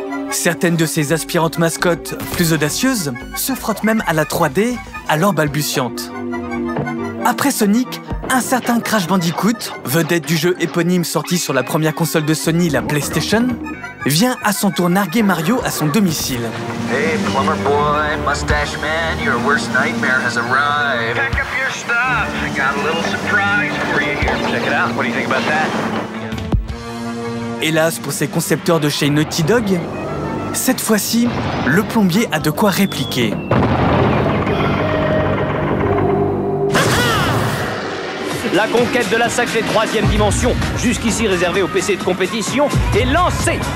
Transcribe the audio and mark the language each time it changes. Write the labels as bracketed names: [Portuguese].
[French] Certaines de ces aspirantes mascottes, plus audacieuses, se frottent même à la 3D, alors balbutiante. Après Sonic, un certain Crash Bandicoot, vedette du jeu éponyme sorti sur la première console de Sony, la PlayStation, vient à son tour narguer Mario à son domicile. [English] Hey, plumber boy, mustache man, your worst nightmare has arrived. Pick up your stuff. I got a little surprise for you here. Check it out. What do you think about that? [French] Hélas pour ses concepteurs de chez Naughty Dog, cette fois-ci, le plombier a de quoi répliquer. La conquête de la sacrée troisième dimension, jusqu'ici réservée aux PC de compétition, est lancée.